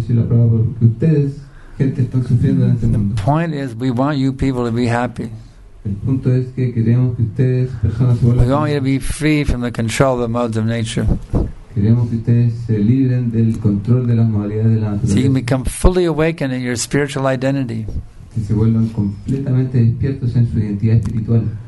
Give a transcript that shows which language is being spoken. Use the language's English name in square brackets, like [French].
[English] The point is, we want you people to be happy. [Spanish] El punto es que queremos que ustedes, personas, se vuelvan. [English] We want you to be free from the control of the modes of nature. [Spanish] Queremos que ustedes se libren del control de las modalidades de la naturaleza. [English] So you can become fully awakened in your spiritual identity. [Spanish] Que se vuelvan completamente despiertos en su identidad espiritual.